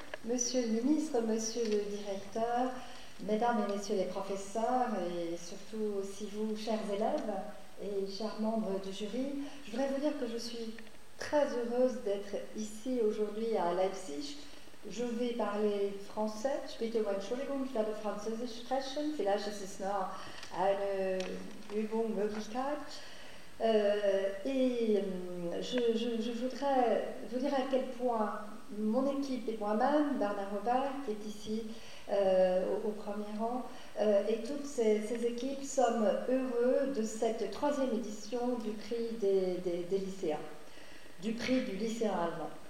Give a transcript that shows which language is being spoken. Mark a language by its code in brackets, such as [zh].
[fr] Monsieur le ministre, monsieur le directeur, mesdames et messieurs les professeurs, et surtout aussi vous, chers élèves et chers membres du jury, je voudrais vous dire que je suis très heureuse d'être ici aujourd'hui à Leipzig. Je vais parler français. [de] Ich bitte um Entschuldigung, ich werde Französisch sprechen. Vielleicht ist es nur eine Übung, Möglichkeit. [fr] Et je voudrais vous dire à quel point mon équipe et moi-même, Bernard Robert, qui est ici au premier rang, et toutes ces équipes, sommes heureux de cette troisième édition du prix des lycéens, du prix du lycéen allemand.